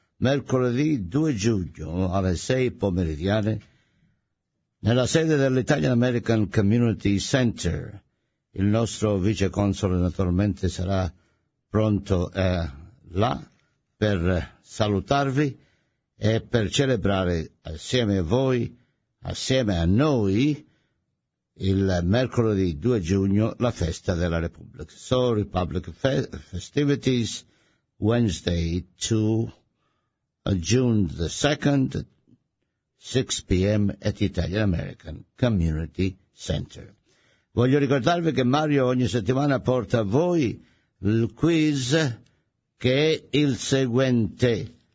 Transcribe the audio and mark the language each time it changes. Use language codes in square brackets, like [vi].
[it] Mercoledì 2 giugno alle 6 pomeridiane nella sede dell'Italian American Community Center. Il nostro viceconsole naturalmente sarà pronto là per salutarvi e per celebrare assieme a voi, assieme a noi, il mercoledì 2 giugno la festa della Repubblica. [en] So Republic Festivities Wednesday 2 June the 2nd 6 p.m. at Italian American Community Center. [it] Voglio ricordarvi che Mario ogni settimana porta a voi il quiz che è il seguente.